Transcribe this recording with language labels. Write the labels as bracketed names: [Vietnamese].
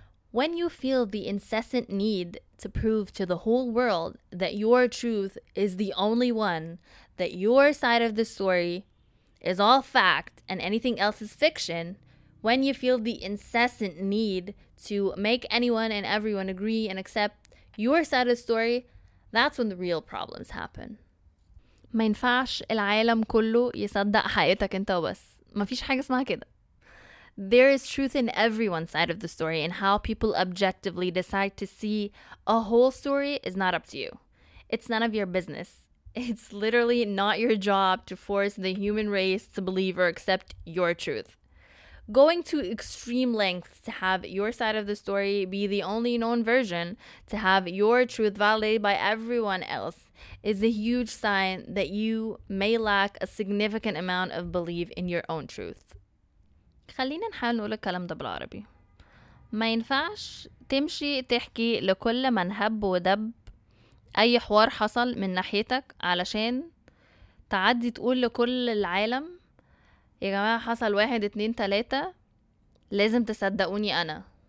[English] When you feel the incessant need to prove to the whole world that your truth is the only one, that your side of the story is all fact and anything else is fiction, when you feel the incessant need to make anyone and everyone agree and accept your side of the story, that's when the real problems happen. [Arabic] ما ينفعش العالم كله يصدق حقيقتك انت وبس. ما فيش حاجة اسمها كده. [English] There is truth in everyone's side of the story, and how people objectively decide to see a whole story is not up to you. It's none of your business. It's literally not your job to force the human race to believe or accept your truth. Going to extreme lengths to have your side of the story be the only known version, to have your truth validated by everyone else, is a huge sign that you may lack a significant amount of belief in your own truth. [Arabic] خلينا نحاول نقول الكلام ده بالعربي. ما ينفعش تمشي تحكي لكل من هب ودب اي حوار حصل من ناحيتك، علشان تعدي تقول لكل العالم يا جماعة حصل 1 2 3 لازم تصدقوني انا.